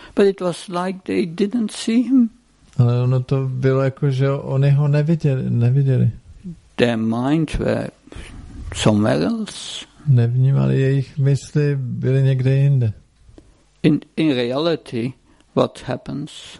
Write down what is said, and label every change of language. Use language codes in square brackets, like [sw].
[en] But it was like they didn't see him. [cs] Ale ono to bylo jako, že oni ho neviděli. [en] Their minds were somewhere else. [cs] Nevnímali, jejich mysli byly někde jinde. [en] In reality, what happens?